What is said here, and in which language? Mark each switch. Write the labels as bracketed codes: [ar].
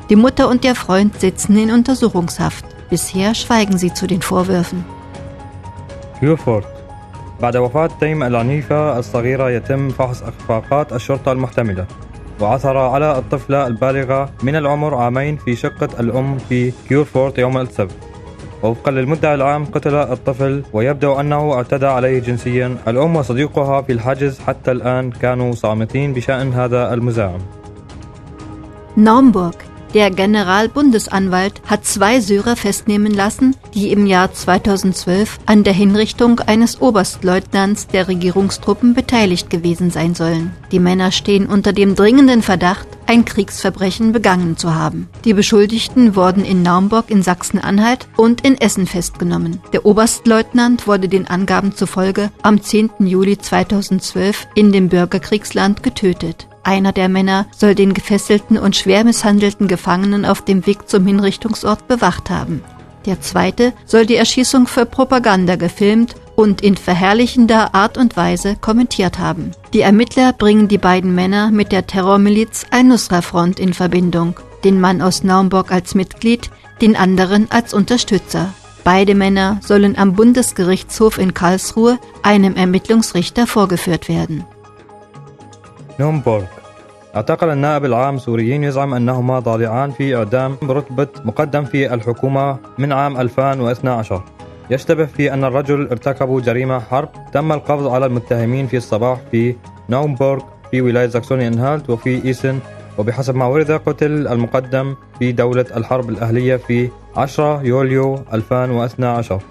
[de] Die Mutter und ihr Freund sitzen in Untersuchungshaft. Bisher schweigen sie zu den Vorwürfen. Querfurt. [ar] بعد وفاة تيم العنيفة الصغيرة يتم فحص إخفاقات الشرطة المحتملة وعثر على الطفلة البالغة من العمر عامين في شقة الأم في كيورفورت يوم السبت. وفقا للمدعي العام قتل الطفل ويبدو أنه اعتدى عليه جنسيا. الأم وصديقها في الحجز حتى الآن كانوا صامتين بشأن هذا المزاعم. نورمبورغ. [de] Der Generalbundesanwalt hat zwei Syrer festnehmen lassen, die im Jahr 2012 an der Hinrichtung eines Oberstleutnants der Regierungstruppen beteiligt gewesen sein sollen. Die Männer stehen unter dem dringenden Verdacht, ein Kriegsverbrechen begangen zu haben. Die Beschuldigten wurden in Naumburg in Sachsen-Anhalt und in Essen festgenommen. Der Oberstleutnant wurde den Angaben zufolge am 10. Juli 2012 in dem Bürgerkriegsland getötet. Einer der Männer soll den gefesselten und schwer misshandelten Gefangenen auf dem Weg zum Hinrichtungsort bewacht haben. Der zweite soll die Erschießung für Propaganda gefilmt und in verherrlichender Art und Weise kommentiert haben. Die Ermittler bringen die beiden Männer mit der Terrormiliz Al-Nusra-Front in Verbindung, den Mann aus Naumburg als Mitglied, den anderen als Unterstützer. Beide Männer sollen am Bundesgerichtshof in Karlsruhe einem Ermittlungsrichter vorgeführt werden. [ar] نورمبورغ. اعتقل النائب العام سوريين يزعم أنهما ضالعان في إعدام رتبة مقدم في الحكومة من عام 2012. يشتبه في أن الرجل ارتكبوا جريمة حرب. تم القبض على المتهمين في الصباح في نورمبورغ في ولاية ساكسوني أنهالت وفي إيسن، وبحسب ما ورد قتل المقدم في دولة الحرب الأهلية في 10 يوليو 2012.